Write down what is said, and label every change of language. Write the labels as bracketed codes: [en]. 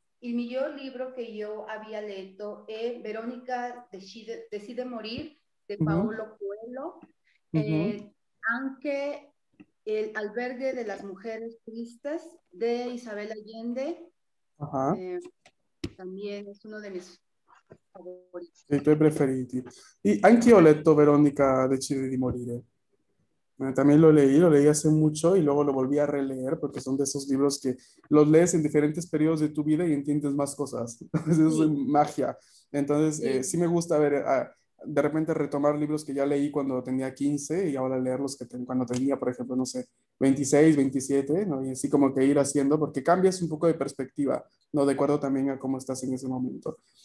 [es] El mejor libro que yo había leído es Verónica decide morir, de Paulo Coelho. Aunque el albergue de las mujeres tristes, de Isabel Allende, también es uno de mis favoritos. Y [it] tu preferiti. [es] Y [it] anche io ho letto Verónica decide di morire. [es] Bueno, también lo leí hace mucho y luego lo volví a releer porque son de esos libros que los lees en diferentes periodos de tu vida y entiendes más cosas. Es Sí. magia. Entonces, Sí. sí me gusta ver de repente retomar libros que ya leí cuando tenía 15 y ahora leerlos cuando tenía, por ejemplo, no sé, 26, 27, ¿no? Y así como que ir haciendo porque cambias un poco de perspectiva, ¿no? De acuerdo también a cómo estás en ese momento.